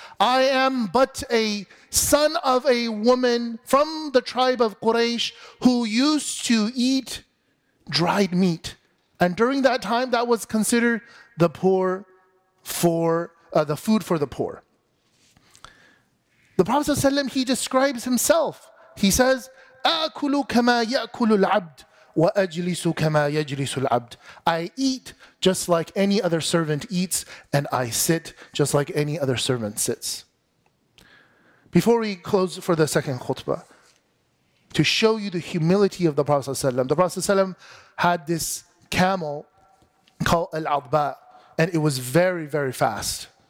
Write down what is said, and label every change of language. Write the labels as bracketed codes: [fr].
[en] I am but a son of a woman from the tribe of Quraysh who used to eat dried meat. And during that time, that was considered the food for the poor. The Prophet ﷺ, he describes himself. He says, [ar] أَأْكُلُ كَمَا يَأْكُلُ الْعَبْدُ وَأَجْلِسُ كَمَا يَجْلِسُ الْعَبْدُ. [en] I eat just like any other servant eats, and I sit just like any other servant sits. Before we close for the second khutbah, to show you the humility of the Prophet ﷺ, the Prophet ﷺ had this camel called Al-Adba, and it was very, very fast.